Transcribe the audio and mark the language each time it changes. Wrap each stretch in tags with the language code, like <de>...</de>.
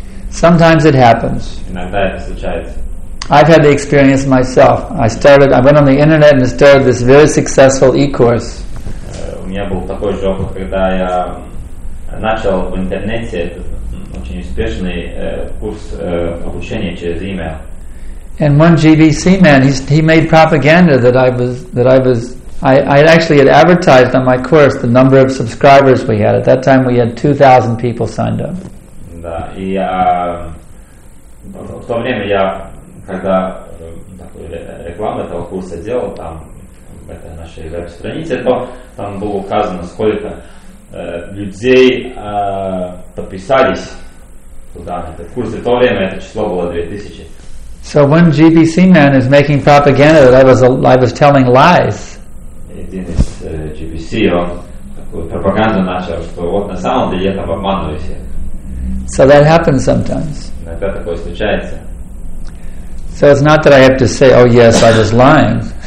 <en>Sometimes it happens. I've had the experience myself. I went on the internet and started this very successful e-course.</en> <ru>У меня был такой же опыт, когда я начал в интернете очень успешный курс обучения через email.</ru> <en>And one GBC man, he made propaganda that I had advertised on my course the number of subscribers we had. At that time we had 2,000 people signed up.</en> <ru>Да, и в то время я, когда рекламу этого курса делал, там, в этой нашей веб-странице, то там было указано, сколько людей подписались туда, на этот курс. В то время это число было 2,000.</ru> <en>So one GBC man is making propaganda that I was telling lies.</en> <ru>Один из GBC, он такую пропаганду начал, что вот на самом деле я там обманываюсь.</ru> <en>So that happens sometimes.</en> <ru>Иногда такое случается.</ru> <en>So it's not that I have to say, oh yes, I was lying.</en>